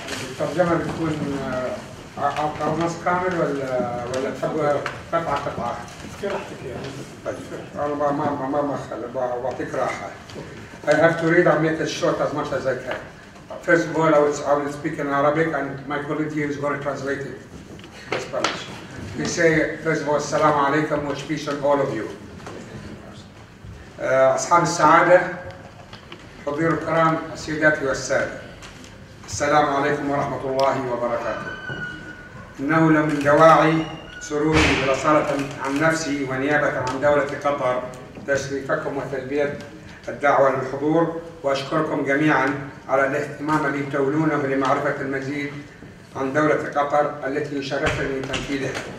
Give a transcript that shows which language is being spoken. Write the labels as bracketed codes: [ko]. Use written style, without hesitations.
[ar] الترجمة بتكون أو نص كامل ولا تحبها قطعة قطعة؟ براحتك يعني. طيب أنا ما أخل بعطيك راحة. [en] I have to read, I'll make it short as much as I can. First of all, I will speak in Arabic and my colleague here is going to translate it in Spanish. He say, first of all, Assalamu alaikum, much peace on all of you. [ar] أصحاب السعادة حضور الكرام السيدات والسادة السلام عليكم ورحمة الله وبركاته إنه لمن دواعي سروري برسالة عن نفسي ونيابة عن دولة قطر تشريفكم وتلبية الدعوة للحضور وأشكركم جميعا على الاهتمام الذي تولونه لمعرفة المزيد عن دولة قطر التي يشرفني تنفيذها